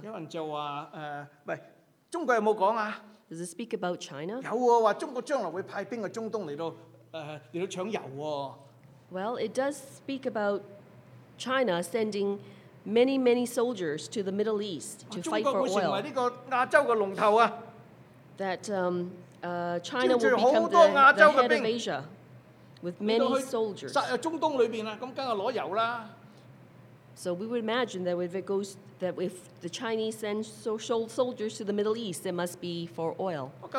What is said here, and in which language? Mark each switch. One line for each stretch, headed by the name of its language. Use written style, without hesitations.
Cantonese: 有人就話唔係中國有冇講啊
English: ？Does it speak about China?
Cantonese: 有喎，話中國將來會派兵去中東嚟到搶油喎。
English: Well, it does speak about China sending many, many soldiers to the Middle East to fight for oil.
Cantonese: 中國會成為呢個亞洲嘅龍頭啊
English: ！That China will become the head of Asia with many soldiers.
Cantonese: 中東裏邊啊，咁梗係攞油啦。
English: So we would imagine that if it goes, that if the Chinese send soldiers to the Middle East, it must be for oil.